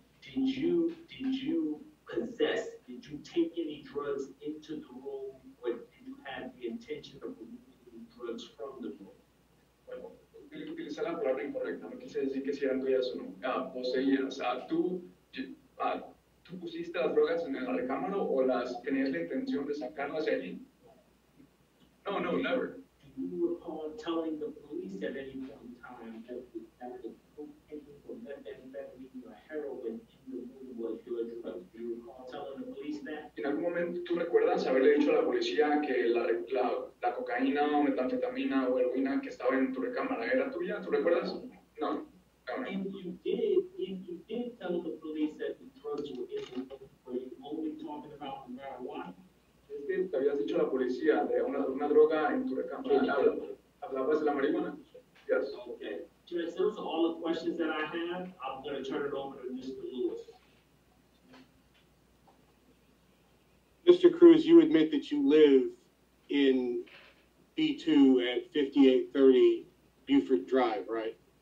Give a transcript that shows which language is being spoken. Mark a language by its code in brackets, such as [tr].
[en] Did you possess, did you take any drugs into the room, or did you have the intention of removing drugs from the room? [es] Bueno, utilicé la palabra incorrecta, no quise decir que si eran tuyas o no. Poseías, ¿tú pusiste las drogas en la recámara o las tenías la intención de sacarlas de allí? [en] No, no, never. Do you recall telling the police at any point in time that the cocaine or methamphetamine or heroin in the room was your drug? Do you recall telling the police that? [es] ¿En algún momento tú recuerdas haberle dicho a la policía que la cocaína o metanfetamina o heroína que estaba en tu recámara era tuya? ¿Tú recuerdas? No. [en] If you did tell the police that the drugs were in the room, were you only talking about the marijuana? [es] Es que te habías dicho a la policía de una droga en tu recámara. ¿Hablabas de la marihuana? [en] Yes. Okay. Chris, those are all the questions that I have. I'm going to turn it over to Mr. Lewis. Mr. Cruz, you admit that you live in B2 at 5830 Buford Drive, right?